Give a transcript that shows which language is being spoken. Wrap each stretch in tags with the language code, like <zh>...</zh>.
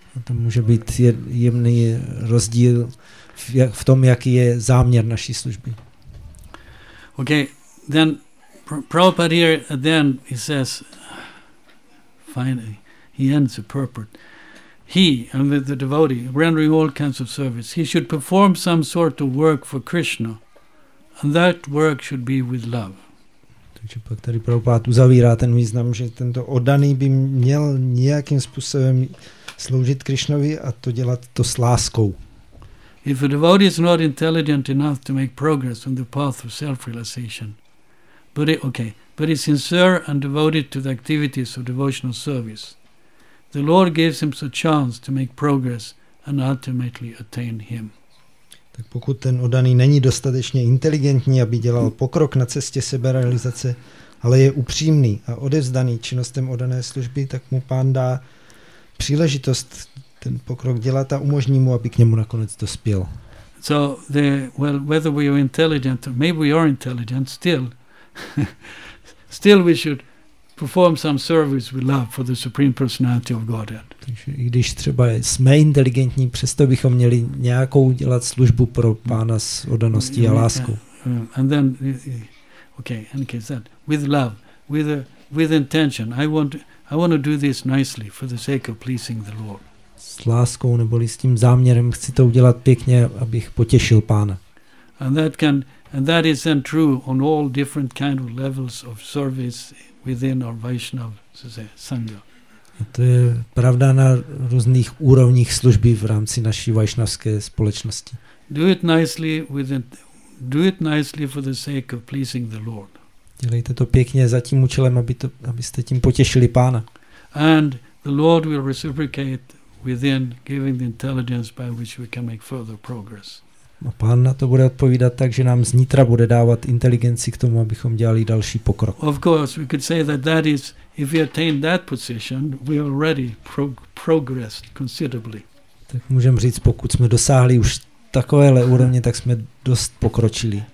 <cs>A to může být jemný rozdíl v tom, jaký je záměr naší služby.</cs> <en>Okay, then Prabhupada here at the end he says, finally, he ends the purport. He, and the devotee, rendering all kinds of service, he should perform some sort of work for Krishna, and that work should be with love.</en> <cs>Takže pak tady Prabhupád uzavírá ten význam, že tento oddaný by měl nějakým způsobem sloužit Krishnovi a to dělat to s láskou.</cs> <en>If a devotee is not intelligent enough to make progress on the path of self-realization, but is sincere and devoted to the activities of devotional service, the Lord gives him a chance to make progress and ultimately attain him.</en> <cs>Tak pokud ten oddaný není dostatečně inteligentní, aby dělal pokrok na cestě seberealizace, ale je upřímný a odevzdaný činnostem oddané služby, tak mu pán dá příležitost ten pokrok dělat a umožní mu, aby k němu nakonec dospěl.</cs> <en>So the well, whether we are intelligent, or maybe we are intelligent, still, still we should perform some service with love for the Supreme Personality of Godhead.</en> <cs>Takže i když třeba jsme inteligentní, přesto bychom měli nějakou dělat službu pro pána s oddaností a lásku.</cs> <en>And then, okay, in case that with love, with intention, I want to do this nicely for the sake of pleasing the Lord.</en> <cs>S láskou neboli s tím záměrem chci to udělat pěkně, abych potěšil pána.</cs> <en>And that is then true on all different kind of levels of service within our Vaishnava Sangha.</en> <cs>To je pravda na různých úrovních služby v rámci naší vaishnavské společnosti.</cs> <en>Do it nicely for the sake of pleasing the Lord.</en> <cs>Dělejte to pěkně za tím účelem, abyste tím potěšili pána.</cs> <en>And the Lord will reciprocate within giving the intelligence by which we can make further progress.</en> <cs>A pán na to bude odpovídat tak, že nám znitra bude dávat inteligenci k tomu, abychom dělali další pokrok.</cs> <en>Of course, we could say that is, if we attain that position, we already progressed considerably.</en> <cs>Tak můžeme říct, pokud jsme dosáhli už takovéhle úrovně, tak jsme dost pokročili.</cs>